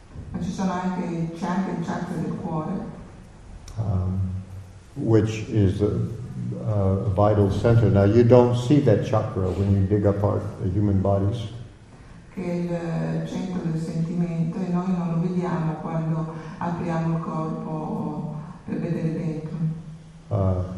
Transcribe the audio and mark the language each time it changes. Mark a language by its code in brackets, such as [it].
[it] Ma ci sono anche il chakra, del cuore, [en] which is a vital center. Now you don't see that chakra when you dig apart the human bodies. [it] Che è il centro del sentimento e noi non lo vediamo quando apriamo il corpo per vedere dentro.